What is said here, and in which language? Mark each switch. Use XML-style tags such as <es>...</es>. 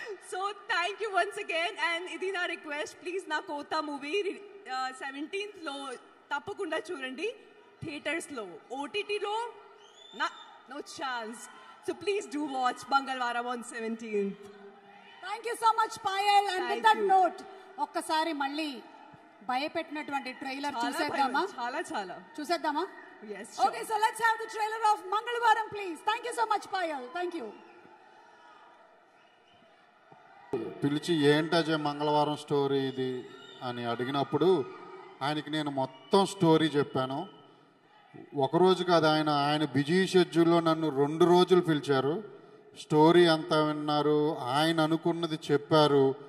<en>So thank you once again.</en> <te>And ఇది నా request, please నా కోతా మూవీ 17th తప్పకుండా చూడండి థియేటర్స్లో.</te> <en>ఓటీటీలో no chance. So please do watch Mangalavaaram 17th. Thank you so much Payal. And with that note</en> <te>ఒక్కసారి మళ్ళీ భయపెట్టినటువంటి ట్రైలర్ చూసేద్దామా? చాలా చాలా చూసేద్దామా?</te> <en>Yes. Okay, so let's have the trailer of Mangalvaram, please. Thank you so much, Payal. Thank you.</en> <te>పిలిచి ఏంటజే మంగళవారం story ఇది అని అడిగినప్పుడు ఆయనకి నేను మొత్తం స్టోరీ చెప్పాను. ఒకరోజు కాదు, ఆయన బిజీ షెడ్యూల్లో నన్ను 2 రోజులు పిలిచారు. స్టోరీ అంతా విన్నారు, ఆయన అనుకున్నది చెప్పారు.</te>